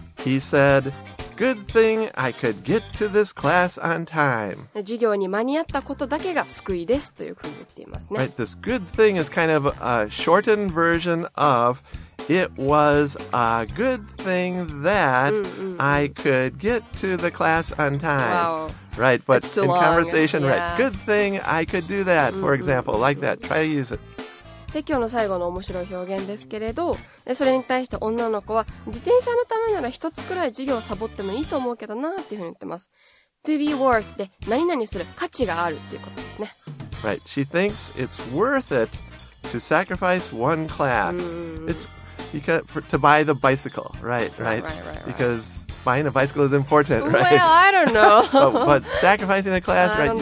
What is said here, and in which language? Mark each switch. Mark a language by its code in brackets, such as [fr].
[en] He said, Good thing I could get to this class on time. [ja] 授業に間に合ったことだけが救いですというふうに言っていますね。 [en] Right, this good thing is kind of a shortened version of It was a good thing that I could get to the class on time. Wow. Right, but in conversation, right. Good thing I could do that, for example, like that. Try to use it. [ja] で、今日の最後の面白い表現ですけれど、で、それに対して女の子は、自転車のためなら一つくらい授業をサボってもいいと思うけどな、っていうふうに言ってます。 [en] To be worth [ja] で、何々する価値があるっていうことですね。 [en] Right. She thinks it's worth it to sacrifice one class. It's because, for, to buy the bicycle, right. Because buying a bicycle is important, right? Well, I don't know. but sacrificing a class, right?